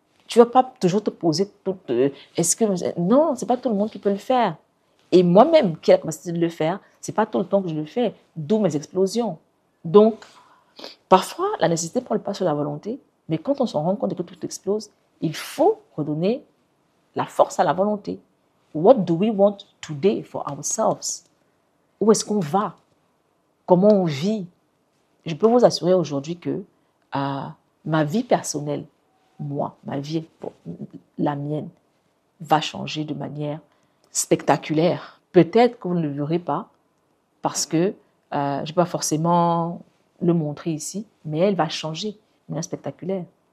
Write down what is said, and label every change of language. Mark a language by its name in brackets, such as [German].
[French] Tu ne vas pas toujours te poser Non, ce n'est pas tout le monde qui peut le faire. Et moi-même qui ai la capacité de le faire, ce n'est pas tout le temps que je le fais, d'où mes explosions. Donc, parfois, la nécessité prend le pas sur la volonté, mais quand on s'en rend compte que tout explose, il faut redonner la force à la volonté. [English] What do we want today for ourselves? [French] Où est-ce qu'on va? Comment on vit? Je peux vous assurer aujourd'hui que ma vie personnelle, moi, ma vie, la mienne, va changer de manière spectaculaire. Peut-être que vous ne le verrez pas, parce que je ne vais pas forcément le montrer ici, mais elle va changer, mais spectaculaire.